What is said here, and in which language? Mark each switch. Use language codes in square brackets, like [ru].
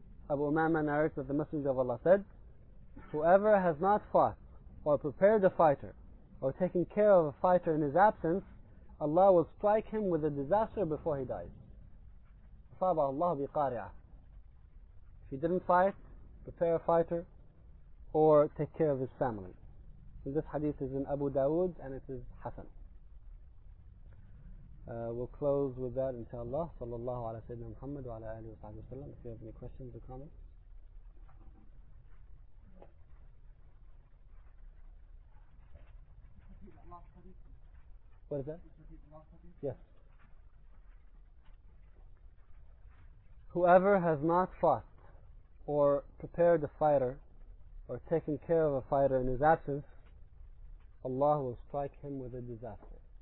[en] Abu Umama narrates that the Messenger of Allah said, whoever has not fought or prepared a fighter or taken care of a fighter in his absence, Allah will strike him with a disaster before he dies. [ar] أَصَابَهُ اللَّهُ بِقَارِعَةٍ. [en] If he didn't fight, prepare a fighter or take care of his family. And this hadith is in Abu Dawood and it is Hassan. We'll close with that inshallah. [ar] صلى الله على سيدنا محمد وعلى آله وصحبه وسلم. [en] If you have any questions or comments. What is that? Yes. Whoever has not fought or prepared a fighter or taken care of a fighter in his absence, Allah will strike him with a disaster.